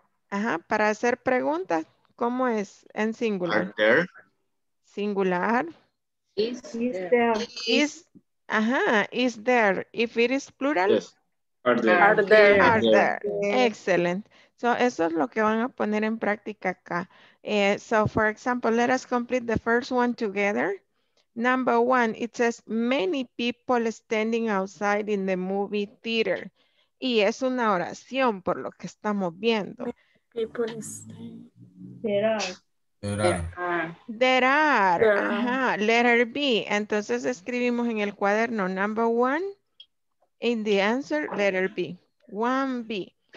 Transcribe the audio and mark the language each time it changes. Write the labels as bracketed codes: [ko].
[es] Ajá, para hacer preguntas, ¿cómo es en singular? [en] Are there? Singular. Is there. Is. Ajá, is there. If it is plural. Yes. Are there. Excellent. [es] So eso es lo que van a poner en práctica acá. [en] So for example, let us complete the first one together. Number one, it says many people standing outside in the movie theater. [es] Y es una oración por lo que estamos viendo. [en] People standing. There are. Ajá. Letter B. [es] Entonces escribimos en el cuaderno [en] number one. In the answer, letter B. [es] 1B.